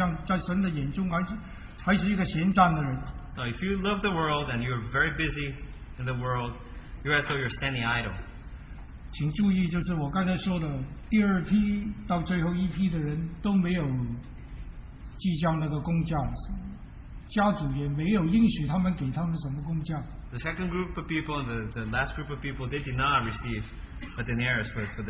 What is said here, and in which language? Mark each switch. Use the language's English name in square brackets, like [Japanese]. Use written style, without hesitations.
[Chinese] 假若你爱世界，你整天在世界里面还忙碌，但是这个在神的面前也算不得什么，你好像在神的眼中还是一个闲站的人。 [English] Now, if you love the world and you're very busy in the world, you're as though you're standing idle. [Chinese] 请注意，就是我刚才说的，第二批到最后一批的人都没有计较那个工价，家主也没有应许他们给他们什么工价。 [English] The second group of people and the last group of people, they did not receive a denarius for the day.